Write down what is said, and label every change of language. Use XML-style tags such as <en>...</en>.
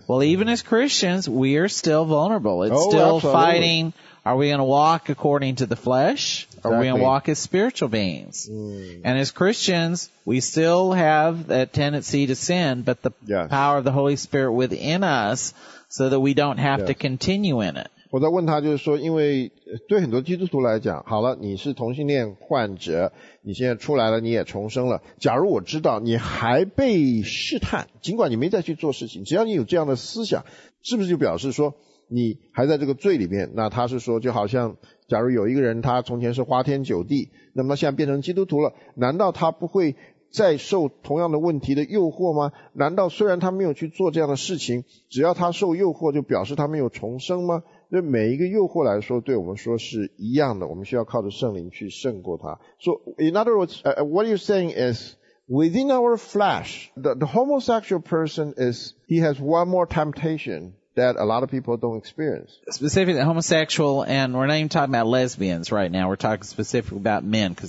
<en>Well, even as Christians, we are still vulnerable. It's still absolutely. Fighting. Are we going to walk according to the flesh? Exactly. Are we going to walk as spiritual beings? Mm. And as Christians, we still have that tendency to sin, but the yes. power of the Holy Spirit within us so that we don't have yes. to continue in it.</en> <zh>我在问他，就是说，因为对很多基督徒来讲，好了，你是同性恋患者，你现在出来了，你也重生了。假如我知道你还被试探，尽管你没再去做事情，只要你有这样的思想，是不是就表示说你还在这个罪里面？那他是说，就好像假如有一个人，他从前是花天酒地，那么现在变成基督徒了，难道他不会再受同样的问题的诱惑吗？难道虽然他没有去做这样的事情，只要他受诱惑，就表示他没有重生吗？对每一个诱惑来说，对我们说是一样的，我们需要靠着圣灵去胜过它。</zh> <en>So, in other words, what you're saying is, within our flesh, the homosexual person is, he has one more temptation that a lot of people don't experience. Specifically, homosexual, and we're not even talking about lesbians right now, we're talking specifically about men.</en>